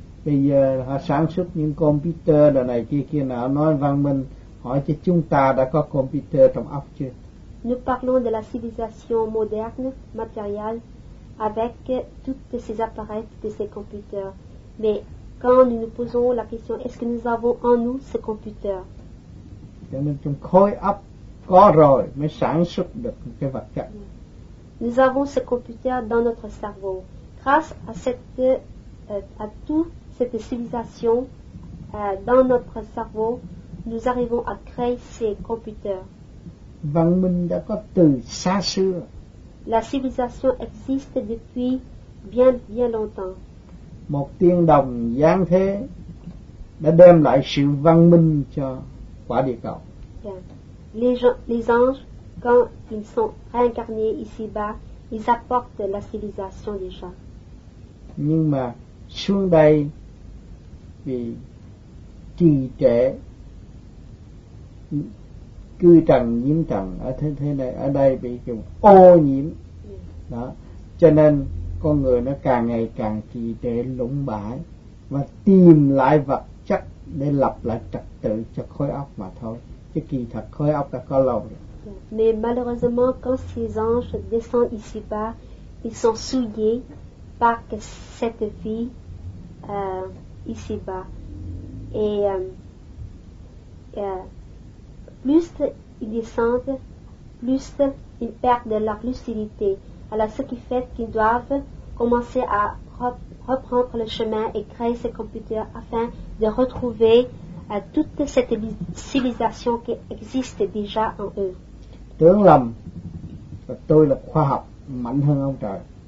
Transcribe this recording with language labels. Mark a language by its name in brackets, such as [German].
[Vietnamese] Bây giờ họ sản xuất những computer đời này kia kia nào, nói văn minh, hỏi chứ chúng ta đã có computer trong óc chưa? [French] Nous parlons de la civilisation moderne, matérielle, avec toutes ces appareils, de ces computers. Mais quand nous nous posons la question, est-ce que nous avons en nous ce computer? [Vietnamese] Cho nên trong khối óc có rồi mới sản xuất được cái vật chất. [French] Nous avons ce computer dans notre cerveau. Grâce à cette, à toute cette civilisation dans notre cerveau, nous arrivons à créer ces computers. [Vietnamese] Văn minh đã có từ xa xưa. [French] La civilisation existe depuis bien, bien longtemps. [Vietnamese] Một tiên đồng giáng thế đã đem lại sự văn minh cho quả địa cầu. [French] Les anges, quand ils sont réincarnés ici-bas, ils apportent la civilisation des gens. [Vietnamese] Nhưng mà xuống đây vì trì trệ cư trần nhiễm trần ở thế này, ở đây bị ô nhiễm đó, cho nên con người nó càng ngày càng trì trệ lũng bãi và tìm lại vật chất để lập lại trật tự cho khối óc mà thôi, chứ kỳ thật khối óc đã có lâu rồi. [French] Mais malheureusement quand ces anges descendent ici bas, ils sont souillés par cette vie ici-bas. Et plus ils descendent, plus ils perdent leur lucidité. Alors ce qui fait qu'ils doivent commencer à reprendre le chemin et créer ces computers afin de retrouver toute cette civilisation qui existe déjà en eux. [Vietnamese] Tướng lầm, tôi là khoa học mạnh hơn ông trời.